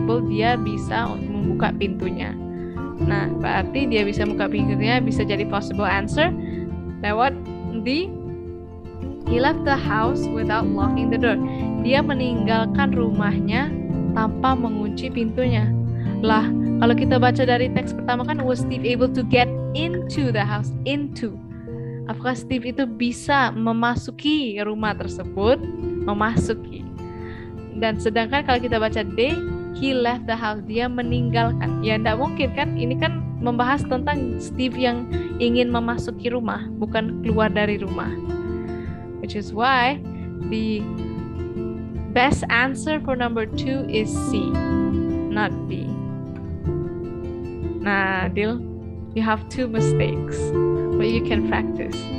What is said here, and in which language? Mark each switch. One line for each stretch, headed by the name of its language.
Indonesian: Dia bisa untuk membuka pintunya. Nah, berarti dia bisa buka pintunya bisa jadi possible answer.
English: Lewat D, he left the house without locking the door.
Indonesian: Dia meninggalkan rumahnya tanpa mengunci pintunya. Lah, kalau kita baca dari teks pertama kan,
English: was Steve able to get into the house?
Indonesian: Into. Apakah Steve itu bisa memasuki rumah tersebut? Memasuki. Dan sedangkan kalau kita baca D,
English: he left the house,
Indonesian: dia meninggalkan. Ya, enggak mungkin kan? Ini kan membahas tentang Steve yang ingin memasuki rumah, bukan keluar dari rumah.
English: Which is why the best answer for number 2 is C, not D. Nah, Dil, you have 2 mistakes, but you can practice.